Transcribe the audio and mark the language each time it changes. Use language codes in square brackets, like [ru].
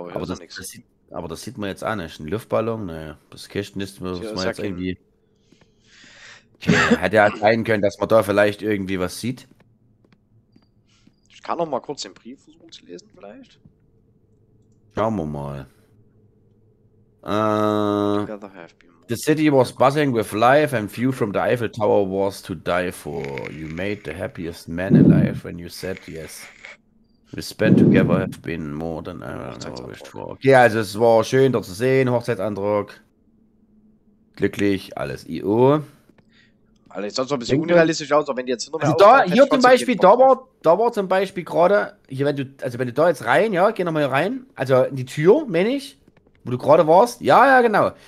[de] aber hier ist noch nichts. Aber das sieht man jetzt an. Das ist ein Luftballon, naja. Das Kästchen ist, was hier man ist jetzt kein... irgendwie. Tja, hätte ja sein können, dass man da vielleicht irgendwie was sieht. Ich kann noch mal kurz den Brief versuchen zu lesen, vielleicht. Schauen wir mal. [en] The city was buzzing with life and view from the Eiffel Tower was to die for. You made the happiest man alive when you said yes. We spent together have been more than I wished for. [de] Okay, also es war schön dort zu sehen, Hochzeitsantrag. Glücklich, alles I.O. Alles sonst so ein bisschen unrealistisch aus, aber wenn die jetzt hinter mir also aufkommen, da, hier zum Beispiel, da war zum Beispiel gerade, hier wenn du, also wenn du da jetzt rein, ja, geh nochmal hier rein, also in die Tür, meine ich. Wo du gerade warst? Ja, genau.